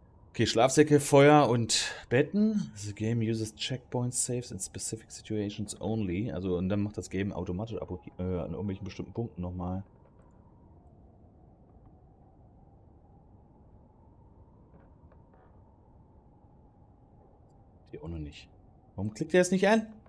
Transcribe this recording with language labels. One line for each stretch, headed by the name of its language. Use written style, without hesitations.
German: Okay, Schlafsäcke, Feuer und Betten.
English: The game uses checkpoints, saves in specific situations only.
German: Also, und dann macht das Game automatisch an irgendwelchen bestimmten Punkten nochmal. Die auch noch nicht. Warum klickt er es nicht an?